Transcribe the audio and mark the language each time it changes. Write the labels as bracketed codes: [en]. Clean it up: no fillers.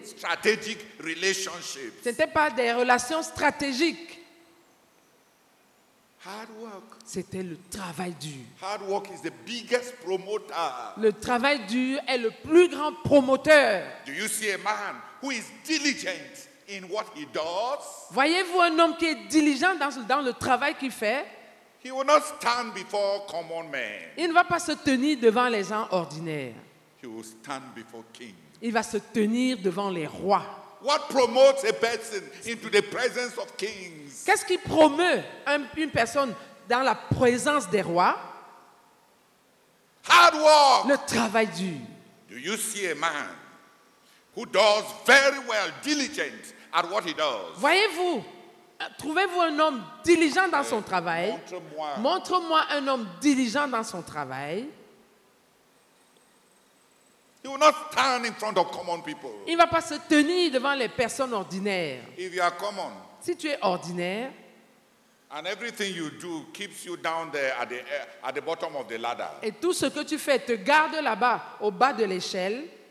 [en] Strategic relationships. [fr] Ce n'était pas des relations stratégiques. [en] Hard work. [fr] C'était le travail dur. [en] Hard work is the biggest promoter. [fr] Le travail dur est le plus grand promoteur. [en] Do you see a man who is diligent? In what he does, [fr] voyez-vous un homme qui est diligent dans le travail qu'il fait? [en] He will not stand before common men. [fr] Il ne va pas se tenir devant les gens ordinaires. [en] He will stand before kings. [fr] Il va se tenir devant les rois. [en] What promotes a person into the presence of kings? [fr] Qu'est-ce qui promeut une personne dans la présence des rois? [en] Hard work. [fr] Le travail dur. [en] Do you see a man? Who does very well, diligent at what he does. Voyez-vous, trouvez-vous un homme diligent dans son travail. [fr] Montre-moi un homme diligent dans son travail. [en] He will not stand in front of common people. [fr] Il ne va pas se tenir devant les personnes ordinaires. [en] If you are common, [fr] si tu es ordinaire, [en] and everything you do keeps you down there at the bottom of the ladder. [fr] Et tout ce que tu fais te garde là-bas, au bas de l'échelle.